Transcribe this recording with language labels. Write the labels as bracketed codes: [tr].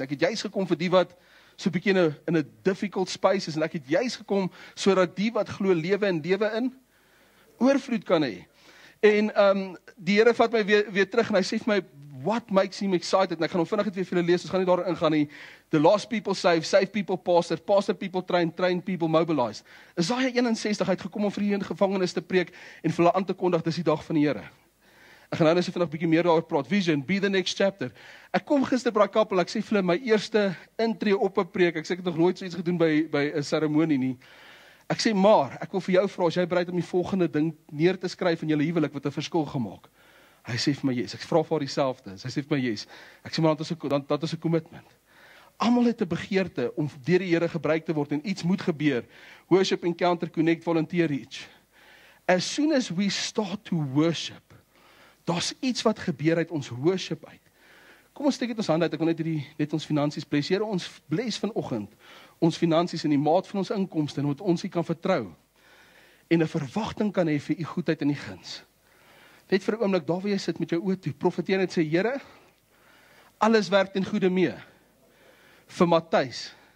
[af] Ek het juis gekom vir die wat so 'n bietjie in 'n [en] difficult space [af] is en ek het juis gekom sodat die wat glo lewe en lewe in oorvloed kan hê. En die Here vat my weer terug en hy sê vir my, [en] what makes him excited? [af] En ek gaan hom vinnig net weer vir julle lees. Ons gaan nie daarin gaan nie. [en] The lost people save, save people pastor, pastor people train, train people mobilize. [af] Isaiah 61, hy het gekom om vir hierdie gevangenes te preek en vir hulle aan te kondig dis die dag van die Here. Ek gaan nou net vinnig 'n bietjie meer daaroor praat. [en] Vision, be the next chapter. [af] Ek kom gister by Kappel, ek sê vir hulle my eerste intree op 'n preek. Ek sê ek het nog nooit so iets gedoen by 'n seremonie nie. Ek sê maar, ek wil vir jou vra as jy bereid om die volgende ding neer te skryf in jou huwelik wat 'n verskil gemaak. Hy sê vir my, "Yes." Ek vra vir haar dieselfde. Sy sê vir my, "Yes." Ek sê maar dat is 'n commitment. Almal het 'n begeerte om deur die Here gebruik te word en iets moet gebeur. [en] Worship Encounter Connect Volunteer Reach. As soon as we start to worship, [af] daar's iets wat gebeur uit ons worship uit. Kom ons steek dit ons hande uit. Ek wil net ons finansies bless. Here, ons bless vanoggend ons finansies in die maat van ons inkomste en wat ons hier kan vertrou en 'n verwagting kan hê vir u goedheid en u guns. Net vir 'n oomblik daar waar jy sit met jou oë toe, profeteer net sê Here, alles werk ten goede mee vir Matthys.